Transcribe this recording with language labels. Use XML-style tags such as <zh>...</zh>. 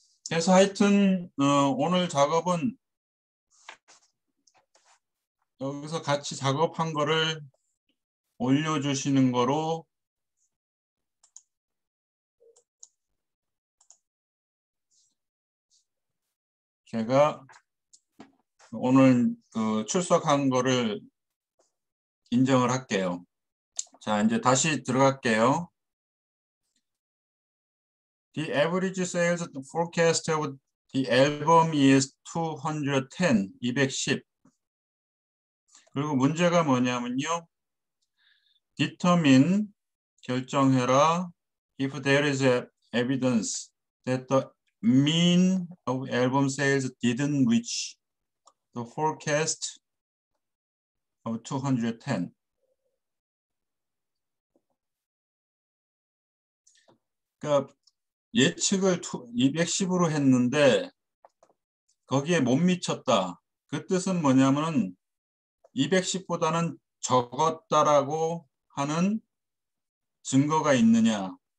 <ko>그래서 하여튼 오늘 작업은 여기서 같이 작업한 거를 올려주시는 거로 제가 오늘 그 출석한 거를 인정을 할게요. 자, 이제 다시 들어갈게요.</ko> <en>The average sales forecast of the album is 210, 210.</en> <ko>그리고 문제가 뭐냐면요. Determine, 결정해라.</ko> <en>If there is evidence that the mean of album sales didn't reach the forecast of 210.</en> <ko>그러니까 예측을 210으로 했는데 거기에 못 미쳤다. 그 뜻은 뭐냐면 210보다는 적었다라고 하는 증거가 있느냐?</ko>